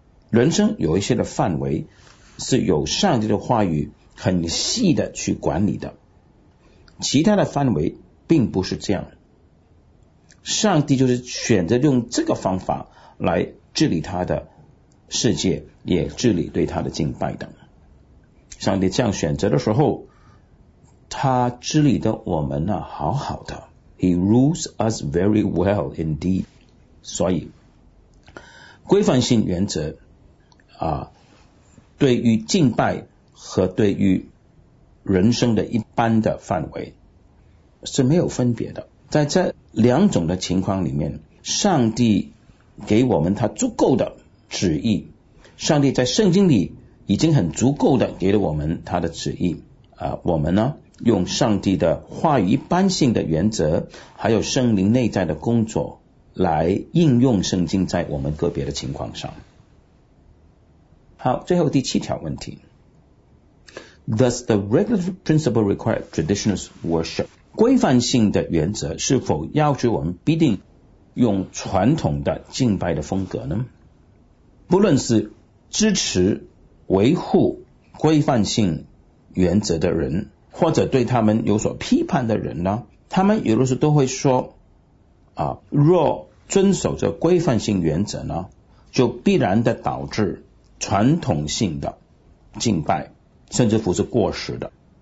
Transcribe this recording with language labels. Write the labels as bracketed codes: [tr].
[zh] 人生有一些的范围是由上帝的话语很细的去管理的，其他的范围并不是这样。上帝就是选择用这个方法来治理他的世界，也治理对他的敬拜的。上帝这样选择的时候，他治理的我们呢，好好的。 [en] He rules us very well indeed. [zh] 所以，规范性原则啊，对于敬拜和对于人生的一般的范围是没有分别的。在这两种的情况里面，上帝给我们他足够的旨意，上帝在圣经里已经很足够的给了我们他的旨意，我们呢用上帝的话语一般性的原则还有圣灵内在的工作来应用圣经在我们个别的情况上。好，最后第七条问题。 [en] Does the regulative principle require traditionalist worship? [zh] 规范性的原则是否要求我们必定用传统的敬拜的风格呢？不论是支持维护规范性原则的人，或者对他们有所批判的人呢，他们有的时候都会说，若遵守着规范性原则呢，就必然的导致传统性的敬拜甚至乎是过时的。